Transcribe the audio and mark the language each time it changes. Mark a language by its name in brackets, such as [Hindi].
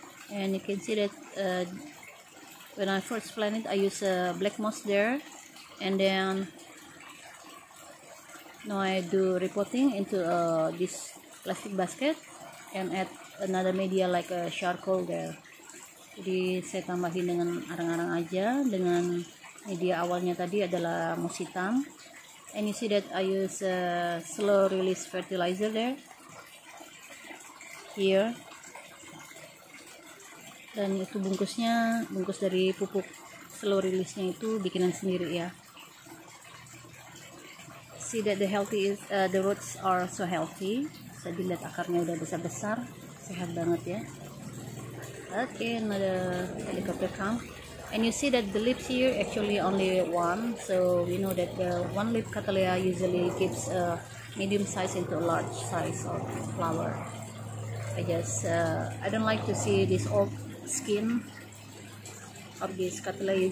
[English] And you can see that when I first plant it, I use a black moss there, and then now I do repotting into this plastic basket and add another media like a charcoal there. [Indonesian] Jadi saya tambahin dengan arang-arang aja, dengan media awalnya tadi adalah moss hitam. [English] And you see that I use slow release fertilizer there, here. [Indonesian] Dan itu bungkusnya, bungkus dari pupuk slow release-nya itu bikinan sendiri ya. [English] See that the healthy is, the roots are so healthy. [Indonesian] Bisa dilihat akarnya udah besar-besar, sehat banget ya. [English] Okay, another helicopter come. And you see that the leaves here actually only one, so we know that one leaf cattleya usually gives a medium size into a large size of flower. I don't like to see this old skin of this cattleya.